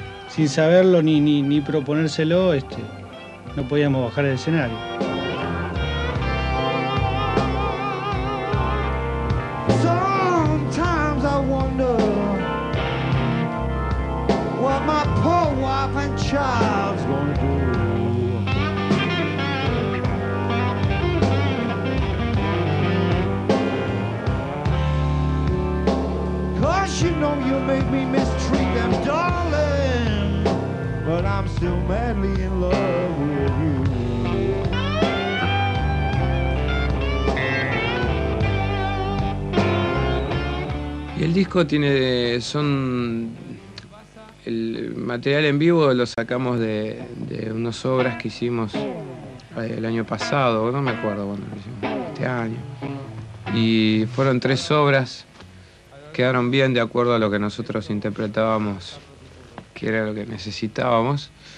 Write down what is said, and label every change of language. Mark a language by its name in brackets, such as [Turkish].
[Spanish] Sin saberlo ni proponérselo, no podíamos bajar el escenario. [English] Sometimes I wonder what my poor wife and child's gonna do. You know you make me mistreat them, darling, but I'm still madly in love with you. [Spanish] Y el disco tiene, son el material en vivo, lo sacamos de unas obras que hicimos el año pasado, no me acuerdo cuándo lo hicimos, este año, y fueron 3 obras. Quedaron bien de acuerdo a lo que nosotros interpretábamos, que era lo que necesitábamos.